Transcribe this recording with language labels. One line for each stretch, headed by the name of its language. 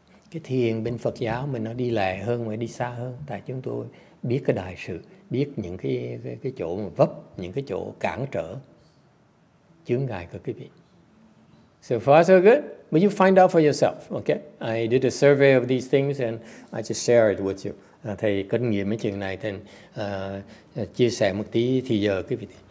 Vietnamese: Cái thiền bên Phật giáo mình nó đi lẹ hơn và đi xa hơn, tại chúng tôi biết cái đại sự, biết những cái chỗ mà vấp, những cái chỗ cản trở, chướng ngại của quý vị.
English: So far so good, but you find out for yourself, okay? I did a survey of these things and I just share it with you.
Vietnamese: Thầy kinh nghiệm ở chuyện này, thầy chia sẻ một tí thì giờ quý vị.